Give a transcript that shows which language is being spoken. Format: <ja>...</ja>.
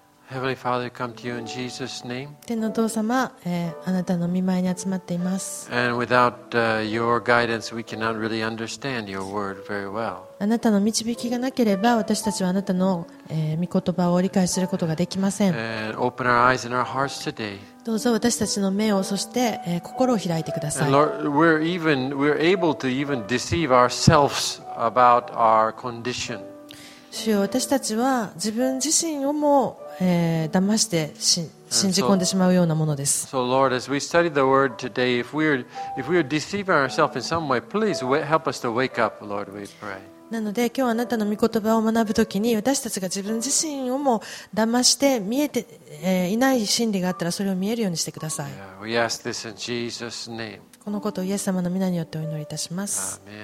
<en>Heavenly Father, come to you in Jesus' name.</en> <ja>天のお父様、あなたの御前に集まっています。</ja> <en>And without your guidance, we cannot really understand your word very well.</en> <ja>あなたの導きがなければ、私たちはあなたの、御言葉を理解することができません。</ja> <en>And open our eyes and our hearts today.</en> <ja>どうぞ私たちの目をそして、心を開いてください。</ja> <en>And Lord, we're able to even deceive ourselves about our condition.</en> <ja>主よ、私たちは自分自身をも、騙して信じ込んでしまうようなものです。</ja> <en>So Lord, as we study the word today, if we're deceiving ourselves in some way, please help us to wake up, Lord. We pray.</en> <ja>なので今日あなたの御言葉を学ぶときに私たちが自分自身をも騙して見えて、いない真理があったらそれを見えるようにしてください。</ja> <en>We ask this in Jesus' name.</en> <ja>このことをイエス様の御名によってお祈りいたします。</ja>